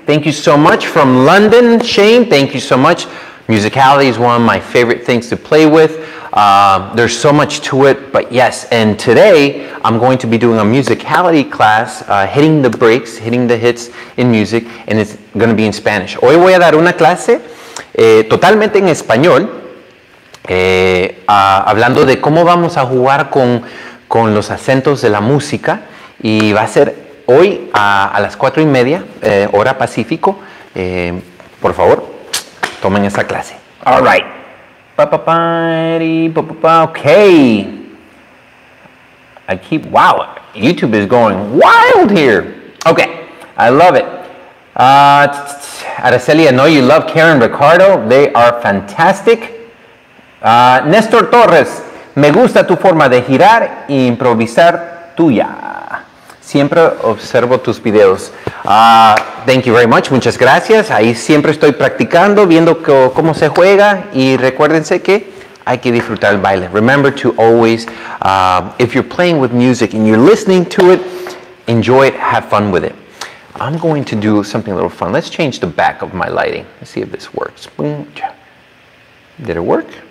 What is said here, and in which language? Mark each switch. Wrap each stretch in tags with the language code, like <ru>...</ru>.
<en>Thank you so much from London, Shane. Thank you so much. Musicality is one of my favorite things to play with. There's so much to it, but yes. And today I'm going to be doing a musicality class, hitting the breaks, hitting the hits in music, and it's going to be in Spanish.</en> <es>Hoy voy a dar una clase totalmente en español, hablando de cómo vamos a jugar con los acentos de la música, y va a ser hoy a las 4:30, hora pacífico. Por favor, tomen esta clase.</es> <en>All right. Okay. Wow, YouTube is going wild here. Okay, I love it. Araceli, I know you love Karen Ricardo. They are fantastic.</en> <es>Néstor Torres, me gusta tu forma de girar e improvisar tuya. Siempre observo tus videos.</es> <en>Thank you very much.</en> <es>Muchas gracias. Ahí siempre estoy practicando, viendo cómo se juega. Y recuérdense que hay que disfrutar el baile.</es> <en>Remember to always, if you're playing with music and you're listening to it, enjoy it, have fun with it. I'm going to do something a little fun. Let's change the back of my lighting. Let's see if this works. Did it work?</en>